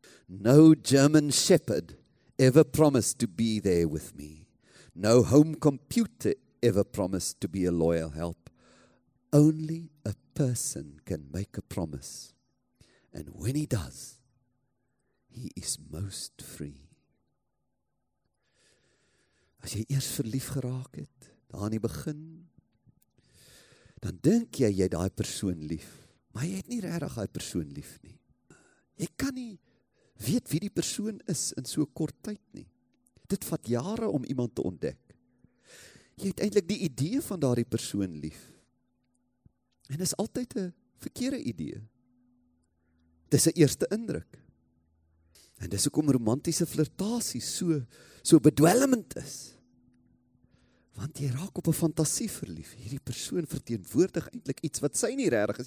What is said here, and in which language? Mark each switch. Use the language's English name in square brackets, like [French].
[English] No German shepherd ever promised to be there with me. No home computer ever promised to be a loyal help. Only a person can make a promise, and when he does, he is most free. [Afrikaans] As jy eers verlief geraak het, daar aan die begin, dan dink jy, jy het daai persoon lief, maar jy het nie regtig daai persoon lief nie. Jy kan nie weet wie die persoon is in so kort tyd nie. Dit vat jare om iemand te ontdek. Jy het eintlik die idee van daai persoon lief, en is altyd 'n verkeerde idee. Dis 'n eerste indruk. En dis hoekom romantiese flirtasie so bedwelmend is. Want jy raak op 'n fantasie verlief. Hierdie persoon verteenwoordig eintlik iets wat sy nie regtig is.